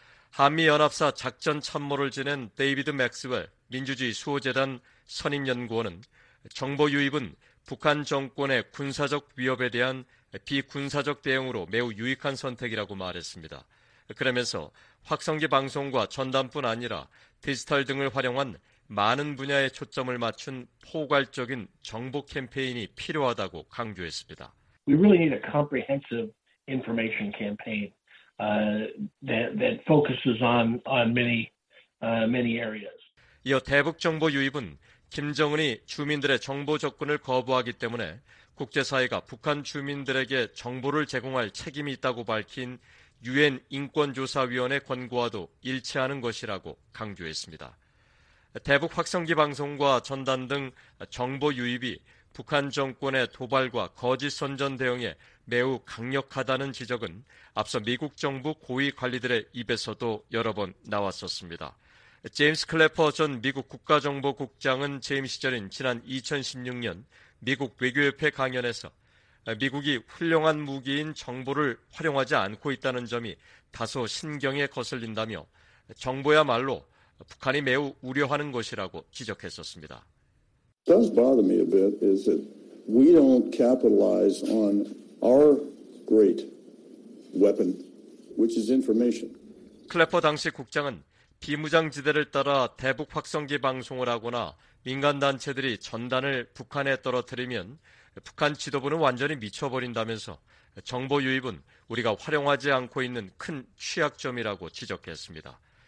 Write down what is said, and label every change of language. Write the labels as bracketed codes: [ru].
[ko] 한미연합사 작전참모를 지낸 데이비드 맥스웰 민주주의 수호재단 선임연구원은 정보 유입은 북한 정권의 군사적 위협에 대한 비군사적 대응으로 매우 유익한 선택이라고 말했습니다. 그러면서 확성기 방송과 전단뿐 아니라 디지털 등을 활용한 많은 분야에 초점을 맞춘 포괄적인 정보 캠페인이 필요하다고 강조했습니다. [en] We really need a comprehensive information campaign that focuses on many areas. [ko] 이어 대북 정보 유입은 김정은이 주민들의 정보 접근을 거부하기 때문에 국제사회가 북한 주민들에게 정보를 제공할 책임이 있다고 밝힌 유엔 인권조사위원회 권고와도 일치하는 것이라고 강조했습니다. 대북 확성기 방송과 전단 등 정보 유입이 북한 정권의 도발과 거짓 선전 대응에 매우 강력하다는 지적은 앞서 미국 정부 고위 관리들의 입에서도 여러 번 나왔었습니다. 제임스 클래퍼 전 미국 국가정보국장은 재임 시절인 지난 2016년 미국 외교협회 강연에서 미국이 훌륭한 무기인 정보를 활용하지 않고 있다는 점이 다소 신경에 거슬린다며 정보야말로 북한이 매우 우려하는 것이라고 지적했었습니다. [en] It does bother me a bit is that we don't capitalize on our great weapon, which is information. [ko] 클래퍼 당시 국장은 비무장지대를 따라 대북 확성기 방송을 하거나 민간단체들이 전단을 북한에 떨어뜨리면 북한 지도부는 완전히 미쳐버린다면서 정보 유입은 우리가 활용하지 않고 있는 큰 취약점이라고 지적했습니다.